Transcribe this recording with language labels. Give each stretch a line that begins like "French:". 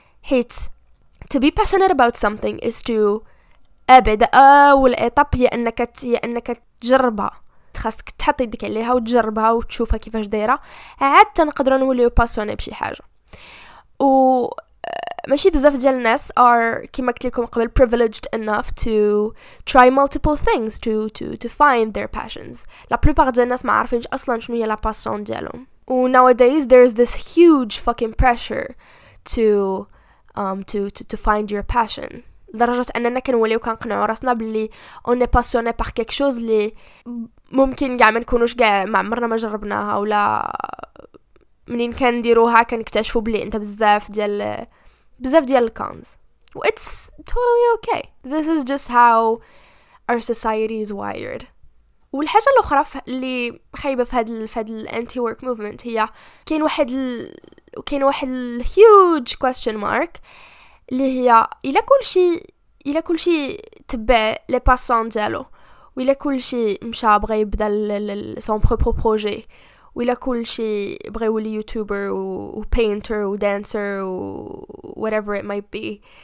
Arabic: حيت
English: to be passionate about something is to
Arabic: ابعد اول ايطاب هي انك تجربها، خاصك تحط يدك عليها وتجربها وتشوفها كيفاش دايره، عاد تنقدروا نوليو باسوني بشي حاجه. و ماشي بزاف ديال الناس
English: are
Arabic: كيما قلت لكم قبل
English: privileged enough to try multiple things to find their passions.
Arabic: لا بلوبار ديال الناس ما عارفينش اصلا شنو هي لا باسون ديالهم.
English: و nowadays there is this huge fucking pressure to find your passion.
Arabic: لدرجة أننا كنوليو كنقنعو راسنا بلي أوني باسيوني باغ كيك شوز لي ممكن كاع ما نكونوش كاع ما عمرنا ما جربناها، ولا منين كنديروها كنكتشفو بلي أنت بزاف ديال الكونز.
English: و it's totally okay. This is just how our society is wired.
Arabic: والحاجة الأخرى اللي خايبة في هاد الأنتي ورك موفمنت هي كاين واحد الهيوج كويستيون مارك اللي هي الا كلشي تبع لي باسون ديالو، والا كلشي مشى بغى يبدا سون بروبر بروجي، والا كلشي بغى يولي يوتيوبر و بينتر و دانسر و
English: whatever it might be،